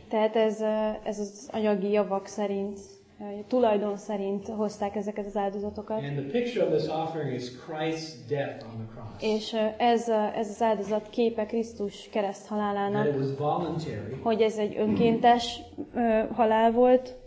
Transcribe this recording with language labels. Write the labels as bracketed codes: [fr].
[hu] Tehát ez az anyagi javak szerint, tulajdon szerint hozták ezeket az áldozatokat. [en] And the picture of this offering is Christ's death on the cross. [hu] És ez az áldozat képe Krisztus kereszt halálának. [en] That it was voluntary. [hu] Hogy ez egy önkéntes halál volt.